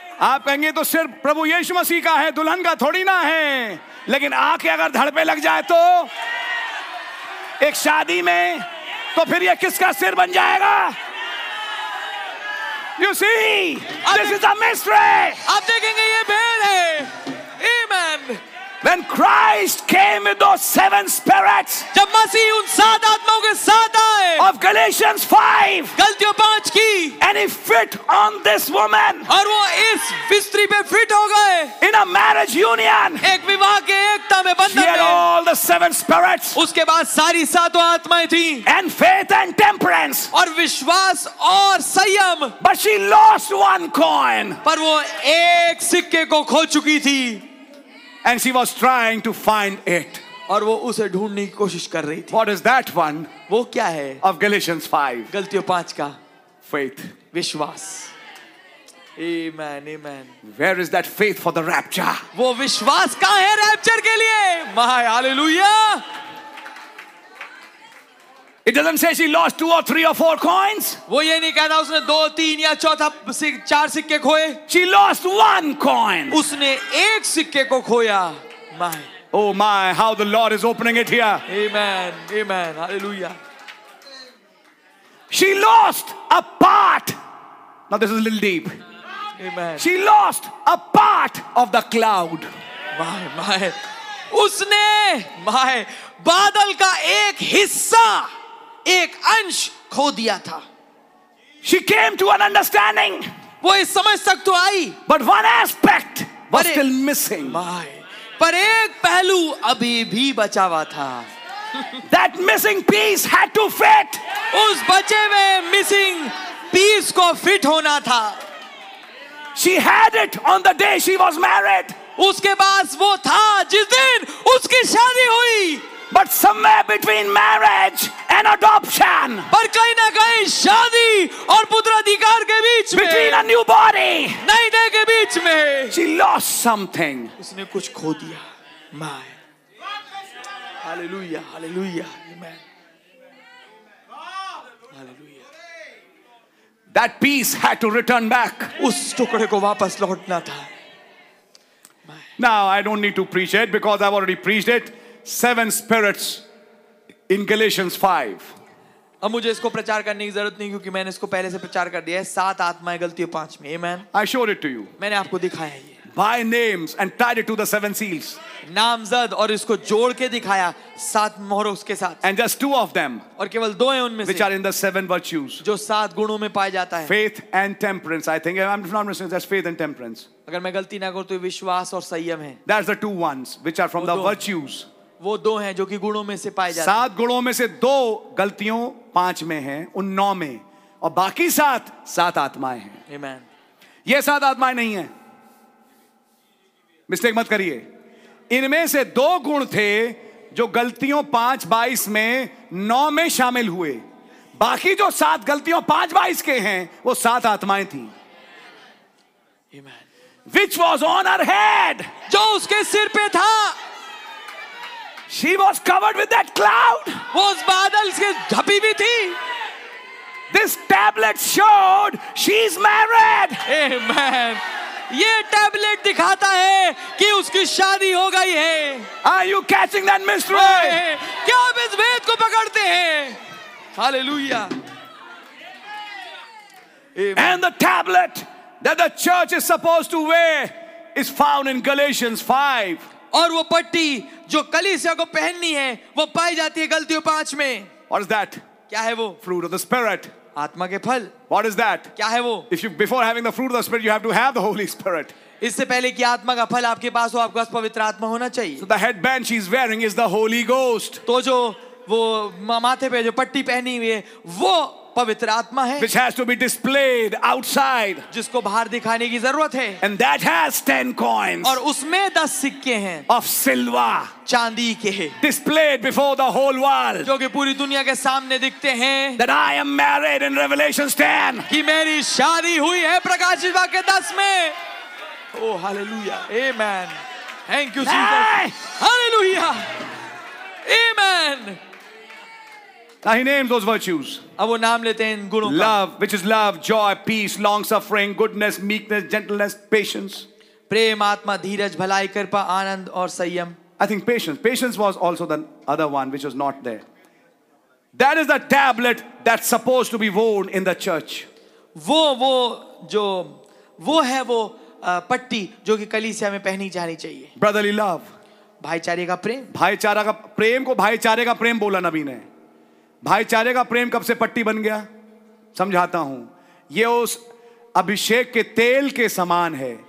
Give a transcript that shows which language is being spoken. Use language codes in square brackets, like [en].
[hi] आप कहेंगे तो सिर्फ प्रभु यीशु मसीह का है, दुल्हन का थोड़ी ना है. लेकिन आके अगर धड़ पे लग जाए तो एक शादी में, तो फिर ये किसका सिर बन जाएगा. [en] You see, this is a mystery. [hi] आप देखेंगे ये भेद है. Amen. [en] When Christ came with those 7 spirits, [hi] जब मसीह उन 7 आत्माओं के साथ आए, [en] of Galatians 5, [hi] गलतियों 5 की, [en] and he fit on this woman, [hi] और वो इस स्त्री पे फिट हो गए, [en] in a marriage union, [hi] एक विवाह के एकता में बंधन में, [en] she had all the 7 spirits, [hi] उसके बाद सारी 7 आत्माएं थीं, [en] and faith and temperance, [hi] और विश्वास और संयम, [en] but she lost one coin, [hi] पर वो एक सिक्के को खो चुकी थी. [en] And she was trying to find it. [hi] और वो उसे ढूंढने की कोशिश कर रही थी. [en] What is that one? [hi] वो क्या है? [en] Of Galatians 5. [hi] गलतियों 5 का. [en] Faith. [hi] विश्वास. Amen, amen. [en] Where is that faith for the rapture? [hi] वो विश्वास कहाँ है rapture के लिए? [en] My hallelujah. It doesn't say she lost 2 or 3 or 4 coins. [hi] वो ये नहीं कहता उसने 2, 3 या 4 सिक्के खोए. [en] She lost 1 coin. [hi] उसने एक सिक्के को खोया. My. [en] Oh my, how the Lord is opening it here. Amen, amen, hallelujah. She lost a part. Now this is a little deep. Amen. She lost a part of the cloud. My, my. [hi] उसने my बादल का एक हिस्सा, एक अंश खो दिया था. [en] She came to an understanding. [hi] वो इस समझ तक तो आई. [en] But one aspect was still missing. My. [hi] पर एक पहलू अभी भी बचा हुआ था. [en] That missing piece had to fit. [hi] उस बचे हुए मिसिंग पीस को फिट होना था. [en] She had it on the day she was married. [hi] उसके पास वो था जिस दिन उसकी शादी हुई. [en] But somewhere between marriage and adoption, [hi] पर कहीं ना कहीं शादी और पुत्राधिकार के बीच में, [en] between a new body, [hi] नई देह के बीच में, [en] she lost something. [hi] उसने कुछ खो दिया. My. Hallelujah, hallelujah. Amen. [en] Hallelujah. That piece had to return back. [hi] उस टुकड़े को वापस लौटना था. [en] My. Now I don't need to preach it because I've already preached it. 7 spirits in Galatians 5. [hi] अब मुझे इसको प्रचार करने की जरूरत नहीं क्योंकि मैंने इसको पहले से प्रचार कर दिया है. 7 आत्माएं गलतियों 5 में. Amen. [en] I showed it to you. [hi] मैंने आपको दिखाया ये. [en] By names and tied it to the 7 seals. [hi] नामजद और इसको जोड़ के दिखाया 7 मोहरों उसके साथ. [en] And just 2 of them. [hi] और केवल 2 हैं उनमें से. [en] Which are in the 7 virtues. [hi] जो 7 गुणों में पाया जाता है. [en] Faith and temperance. I think I'm not mistaken. That's faith and temperance. [hi] अगर मैं गलती ना करूं तो विश्वास और संयम है. [en] That's the 2 ones which are from the virtues. [hi] वो 2 हैं जो कि गुणों में से पाए जाते हैं. 7 गुणों में से 2 गलतियों 5 में हैं, उन 9 में, और बाकी 7 7 आत्माएं हैं. [en] Amen. [hi] ये 7 आत्माएं नहीं है, मिस्टेक मत करिए. इनमें से 2 गुण थे जो गलतियों 5:22 में 9 में शामिल हुए. बाकी जो 7 गलतियों 5:22 के हैं वो 7 आत्माएं थी. [en] Amen. which was on her head. [hi] जो उसके सिर पे था. [en] She was covered with that cloud. [hi] वो उस बादल से ढकी हुई थी. [en] This tablet showed she's married. Amen. [hi] ये टैबलेट दिखाता है कि उसकी शादी हो गई है. [en] Are you catching that mystery? [hi] क्या आप इस भेद को पकड़ते हैं? [en] Hallelujah. Amen. And the tablet that the church is supposed to wear is found in Galatians 5. [hi] और वो पट्टी जो कलीसिया को पहननी है वो पाई जाती है गलतियों 5 में. [en] What is that? [hi] क्या है वो? [en] Fruit of the Spirit. [hi] आत्मा के फल. [en] What is that? [hi] क्या है वो? [en] If you before having the fruit of the Spirit, you have to have the Holy Spirit. [hi] इससे पहले कि आत्मा का फल आपके पास हो, आपके पास पवित्र आत्मा होना चाहिए. [en] So the headband she is wearing is the Holy Ghost. [hi] तो जो वो माथे पे जो पट्टी पहनी हुई है वो पवित्र आत्मा है. [en] Which has to be displayed outside. [hi] जिसको बाहर दिखाने की जरूरत है. [en] And that has 10 coins. [hi] और उसमें 10 सिक्के हैं. [en] Of silver. [hi] चांदी के. [en] Displayed before the whole world. [hi] जो कि पूरी दुनिया के सामने दिखते हैं. [en] That I am married in Revelation 10. [hi] कि मेरी शादी हुई है प्रकाशित वाक्य 10 में. [en] Oh hallelujah. Amen. Thank you Jesus. Hey! Hallelujah. Amen. Now he names those virtues. [hi] अब वो नाम लेते हैं गुणों का. [en] Love, which is love, joy, peace, long suffering, goodness, meekness, gentleness, patience. [hi] प्रेम, आत्मा, धीरज, भलाई, कृपा, आनंद और संयम. [en] I think patience. Patience was also the other one which was not there. That is the tablet that's supposed to be worn in the church. [hi] वो है वो पट्टी जो कि कलीसिया में पहनी जानी चाहिए. [en] Brotherly love. [hi] भाईचारे का प्रेम. भाईचारा का प्रेम को भाईचारे का प्रेम बोला नबी ने. भाईचारे का प्रेम कब से पट्टी बन गया? समझाता हूं. ये उस अभिषेक के तेल के समान है.